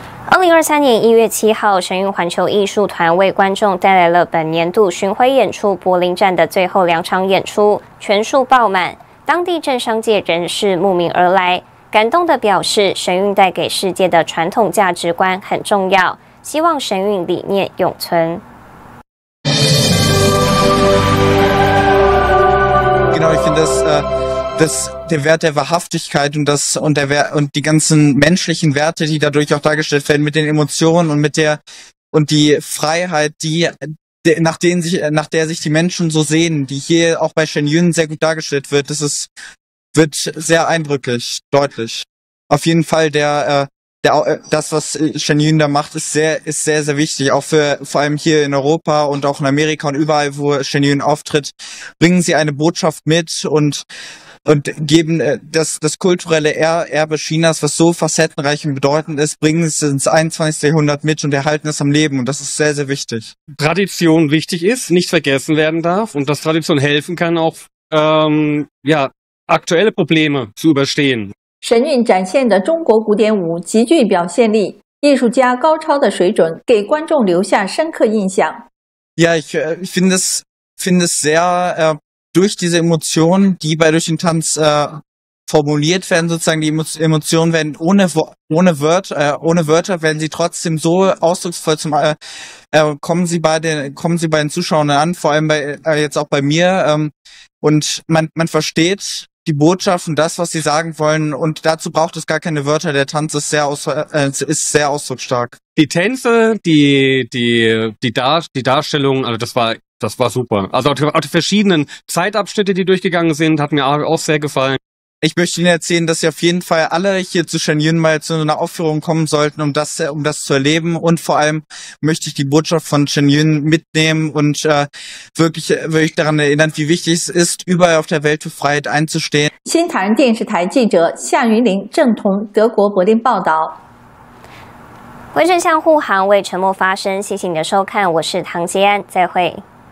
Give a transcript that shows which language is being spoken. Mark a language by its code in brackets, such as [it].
[zh] 2023年1月7号，神韵环球艺术团为观众带来了本年度巡回演出柏林站的最后两场演出，全数爆满，当地政商界人士慕名而来，感动地表示神韵带给世界的传统价值观很重要，希望神韵理念永存。 [de] Das, der Wert der Wahrhaftigkeit und das, und der Wert, und die ganzen menschlichen Werte, die dadurch auch dargestellt werden, mit den Emotionen und mit der, und die Freiheit, nach der sich die Menschen so sehen, die hier auch bei Shen Yun sehr gut dargestellt wird, wird sehr eindrücklich, deutlich. Auf jeden Fall, das, was Shen Yun da macht, ist sehr, sehr wichtig, auch für, vor allem hier in Europa und auch in Amerika und überall, wo Shen Yun auftritt, bringen sie eine Botschaft mit und geben das kulturelle Erbe Chinas, was so facettenreich und bedeutend ist, bringen es ins 21. Jahrhundert mit und erhalten es am Leben. Und das ist sehr, sehr wichtig. Tradition wichtig ist, nicht vergessen werden darf. Und dass Tradition helfen kann, auch aktuelle Probleme zu überstehen. [zh] Shen Yun 展现的中国古典舞极具表现力，艺术家高超的水准给观众留下深刻印象。 [de] Ja, ich finde es sehr, durch diese Emotionen, die bei durch den Tanz formuliert werden, sozusagen die Emotionen werden ohne Wörter werden sie trotzdem so ausdrucksvoll kommen sie bei den Zuschauern an, vor allem jetzt auch bei mir und man versteht die Botschaft und das, was sie sagen wollen, und dazu braucht es gar keine Wörter. Der Tanz ist sehr ausdrucksstark. Die Tänze, die Darstellung, also das war super. Also auch die verschiedenen Zeitabschnitte, die durchgegangen sind, hat mir auch sehr gefallen. Ich möchte Ihnen erzählen, dass Sie auf jeden Fall alle hier zu Shen Yun mal zu einer Aufführung kommen sollten, um das zu erleben. Und vor allem möchte ich die Botschaft von Shen Yun mitnehmen und wirklich daran erinnern, wie wichtig es ist, überall auf der Welt für Freiheit einzustehen. [zh] 新唐人电视台记者夏云林正同德国柏林报道。为正向护航，为沉默发声，谢谢你的收看，我是唐杰安，再会。